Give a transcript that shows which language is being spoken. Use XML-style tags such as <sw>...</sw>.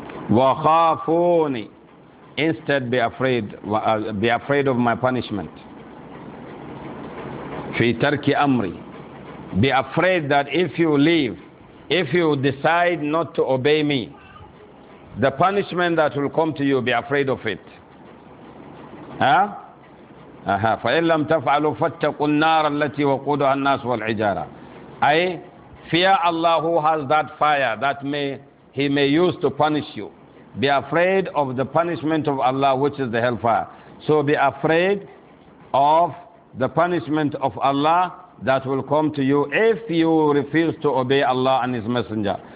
<en>وَخَافُونِ Instead, be afraid of my punishment.</en> <ar>فِي تَرْكِ أَمْرِ</ar> <en>Be afraid that if you leave, if you decide not to obey me, the punishment that will come to you, be afraid of it. Huh? Aha.</en> <ar>فإن لم تفعلوا فاتقوا النار التي وقودها الناس والحجارة.</ar> <en>I fear Allah who has that fire that he may use to punish you. Be afraid of the punishment of Allah, which is the hellfire. So be afraid of the punishment of Allah that will come to you if you refuse to obey Allah and His Messenger.</en>